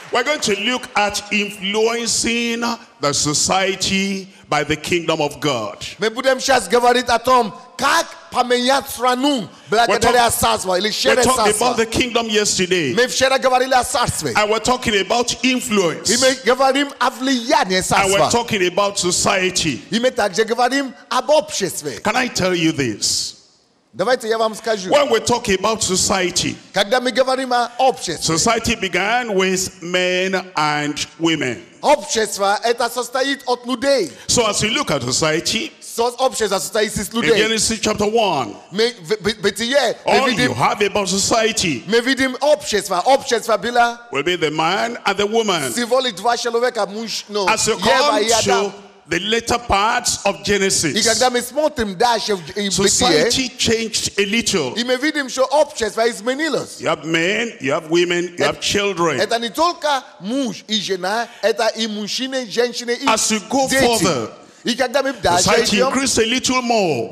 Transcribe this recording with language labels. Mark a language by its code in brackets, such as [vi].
[en] We're going to look at influencing the society by the kingdom of God. [ru] Мы будем сейчас говорить о том, как поменять страну благодаря царству или через царство. [en] We talked about the kingdom yesterday. [ru] Мы вчера говорили о царстве. [en] And we're talking about influence. [ru] И мы говорим о влиянии царства. [en] And we're talking about society. [ru] И мы также говорим об обществе. [en] Can I tell you this? [ru] Давайте я вам скажу. [en] When we talk about society, [ru] когда мы говорим о обществе, [en] society began with men and women. [ru] Общество это состоит от людей. [en] So as we look at society, [ru] общество состоит из людей. [en] In Genesis chapter 1, you have about society. [ru] Мы видим общество. Общество было. [en] Will be the man and the woman. [ru] Всего лишь два человека, муж, но. [en] As you come to the later parts of Genesis, society changed a little. You have men, you have women, you have children. As you go further, society increased a little more.